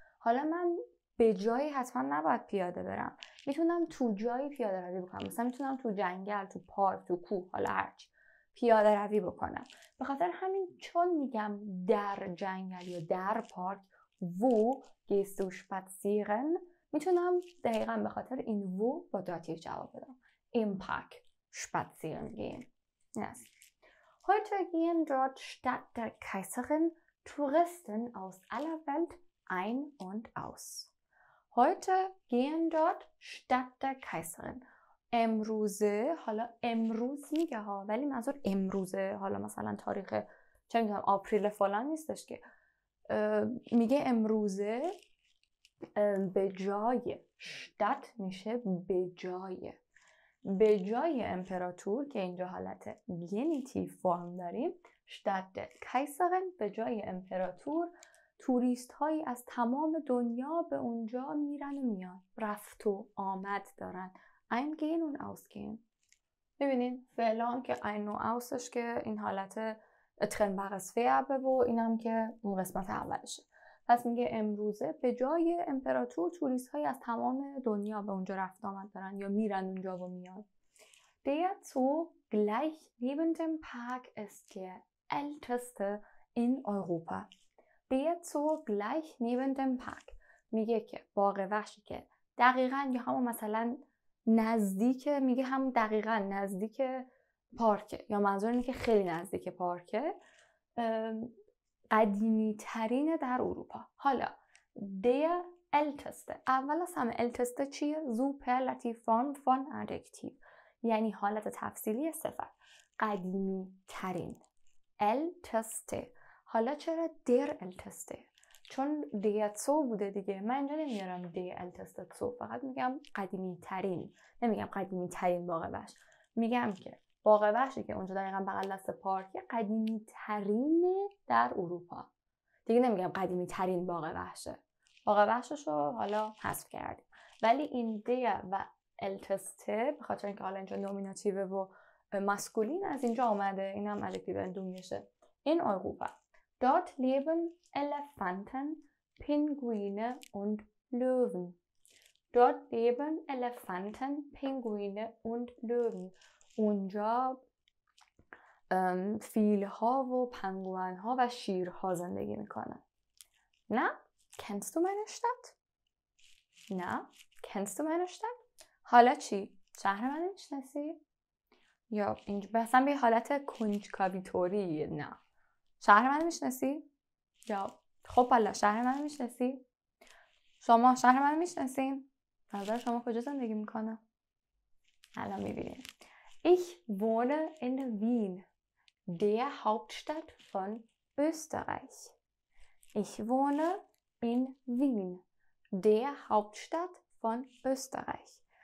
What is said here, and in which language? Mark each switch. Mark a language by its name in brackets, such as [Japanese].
[Persian] حالا من به جایی حتما نباید پیاده برم، میتونم تو جایی پیاده روی بکنم، مثلا میتونم تو جنگل، تو پارک، تو کوه، حالا هرچی پیاده روی بکنم. به خاطر همین چون میگم در جنگل یا در پارک [German] wo gehst du spazieren؟ [Persian] میتونم دقیقا به خاطر این wo با داتیو جواب بدم. [German] Im Park spazieren gehen. Yes. Heute gehen dort statt der Kaiserin Touristen aus aller Welt ein und aus. Heute gehen dort statt der Kaiserin. [Persian] امروزه، حالا امروز میگه ها، ولی منظور امروزه، حالا مثلا تاریخ چه میدونم آپریل فلان نیستش که. میگه امروزه به جای شتت میشه به جای، به جای امپراتور که اینجا حالت جنیتیو فرم داریم، شتت کایسرن به جای امپراتور، توریست هایی از تمام دنیا به اونجا میرن و میان، رفت و آمد دارن. این گین اون اوس گین، ببینین فعلان که این و اوسش که این حالت اترن برس فیابه و اینم که اون قسمت اولشه. و پس میگه امروزه به جای امپراتور توریست های از تمام دنیا به اونجا رفت آمد دارن یا میرن اونجا و میان. [German] Der Zoo gleich neben dem Park ist der älteste in Europa. Der Zoo gleich neben dem Park. [Persian] میگه که باغ وحشی که دقیقاً یا همون مثلا نزدیک میگه هم دقیقاً نزدیک پارکه یا منظور اینه که خیلی نزدیک پارکه قدیمی ترین در اروپا. [German] حالا der älteste. [Persian] اول از همه [German] älteste چیه؟ Superlativ form von Adjektiv. [Persian] یعنی حالت تفصیلی صفت قدیمی ترین älteste. حالا چرا [German] der älteste؟ [Persian] چون [German] der Zoo [Persian] بوده دیگه. من اینجا نمیارم [German] der älteste Zoo، [Persian] فقط میگم قدیمی ترین، نمیگم قدیمی ترین باغ وحش، میگم که باغ وحشی که اونجا دقیقا بغل دست پارکه قدیمی ترین در اروپا، دیگه نمیگم قدیمی ترین باغ وحشه. باغ وحششو حالا حذف کردیم، ولی این der و älteste به خاطر اینکه حالا اینجا نومیناتیوه و ماسکولین از اینجا آمده، این هم ادکتیو اندومیشه. این اروپا. [German] Dort leben Elefanten, Pinguine und Löwen. Dort leben Elefanten, Pinguine und Löwen. [Persian] اونجا فیلها و پنگوانها و شیرها زندگی میکنن. نه؟ [German] Kennst du meine Stadt؟ [Persian] نه؟ Kennst du meine Stadt؟ حالا چی؟ شهر من میشناسی؟ یا اینجا بسن به حالت کنجکاوی طوری نه. شهر من میشناسی؟ یا خب حالا شهر من میشناسی؟ شما شهر من میشناسین؟ نظر شما کجا زندگی میکنم؟ حالا میبینیم. [German] Ich wohne in Wien, der Hauptstadt von Österreich. Ich wohne in Wien, der Hauptstadt von Österreich.